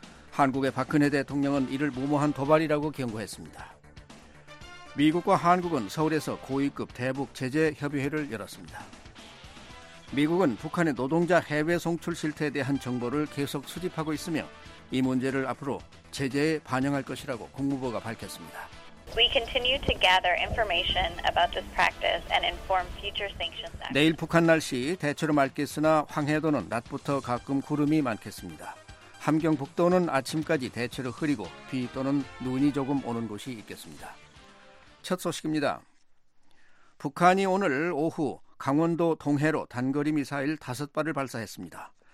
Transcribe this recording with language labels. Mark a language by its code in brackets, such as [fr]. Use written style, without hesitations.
[ko] 한국의 박근혜 대통령은 이를 무모한 도발이라고 경고했습니다. 미국과 한국은 서울에서 고위급 대북 제재 협의회를 열었습니다. 미국은 북한의 노동자 해외 송출 실태에 대한 정보를 계속 수집하고 있으며 이 문제를 앞으로 제재에 반영할 것이라고 국무부가 밝혔습니다. [en] We continue to gather information about this practice and inform future sanctions. [ko] 내일 북한 날씨 대체로 맑겠으나 황해도는 낮부터 가끔 구름이 많겠습니다. 함경북도는 아침까지 대체로 흐리고 비 또는 눈이 조금 오는 곳이 있겠습니다. 첫 소식입니다. 북한이 오늘 오후 강원도 동해로 단거리 미사일 5발을 발사했습니다.